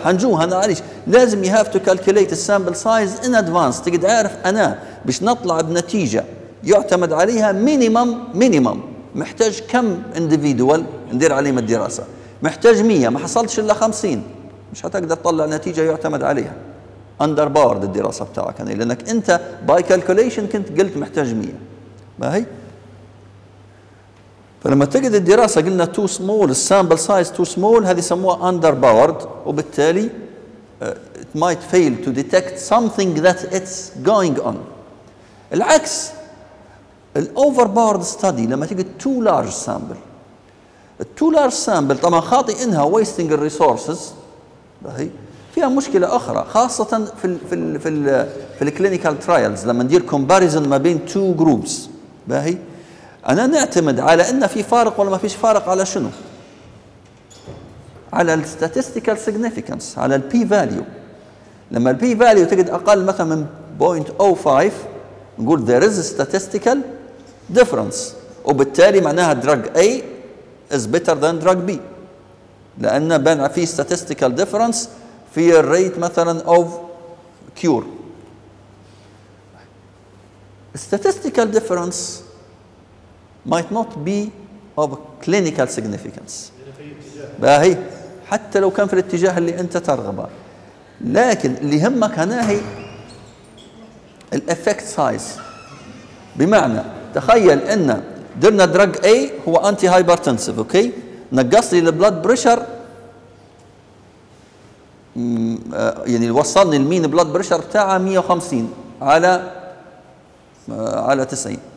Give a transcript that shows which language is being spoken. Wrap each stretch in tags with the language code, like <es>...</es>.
<ar>هنجوه هنا عليش، لازم you have to calculate the sample size in advance، تقدر عارف أنا باش نطلع بنتيجة يعتمد عليها minimum minimum محتاج كم individual ندير عليهم الدراسة. محتاج 100، ما حصلتش إلا 50، مش هتقدر تطلع نتيجة يعتمد عليها. underpowered الدراسة بتاعك أنا، لأنك أنت by calculation كنت قلت محتاج 100. باهي؟ فلما تجد الدراسة قلنا too small، السامبل سايز too small، هذه يسموها underpowered، وبالتالي it might fail to detect something that it's going on. العكس الـ overpowered study لما تجد too large sample، too large sample طبعا خاطئ إنها wasting resources، باهي؟ فيها مشكلة أخرى خاصة في الـ في الـ في الـ في الكلينيكال ترايلز، لما ندير comparison ما بين two groups، باهي؟ أنا نعتمد على أن في فارق ولا ما فيش فارق على شنو؟ على الـ statistical significance، على الـ p-value.</ar> <en>لما الـ p-value تجد أقل مثلا من 0.05 نقول there is a statistical difference، وبالتالي معناها drug A is better than drug B، لأن بين في statistical difference في الـ rate مثلا of cure. statistical difference might not be of clinical significance.</en> <ar>باهي حتى لو كان في الاتجاه اللي انت ترغبه، لكن اللي يهمك هنا هي الافكت سايز. بمعنى تخيل ان درنا دراج اي هو انتي هايبرتنسيف، اوكي، نقص لي البلاد بريشر، يعني وصلني المين بلاد بريشر بتاعه 150 على 90.</ar>